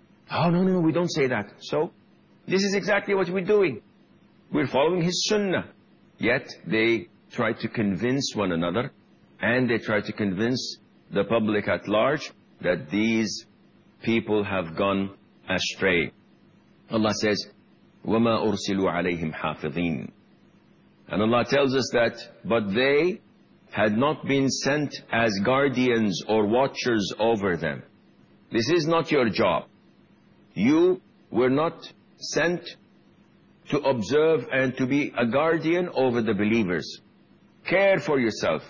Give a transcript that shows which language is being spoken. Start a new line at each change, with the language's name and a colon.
English: Oh, no, no, no, we don't say that. So, this is exactly what we're doing. We're following his sunnah. Yet, they try to convince one another, and they try to convince the public at large that these people have gone astray. Allah says,
Arabic: وَمَا أُرْسِلُوا عَلَيْهِمْ حَافِظِينَ.
English: And Allah tells us that, but they had not been sent as guardians or watchers over them. This is not your job. You were not sent to observe and to be a guardian over the believers. Care for yourself.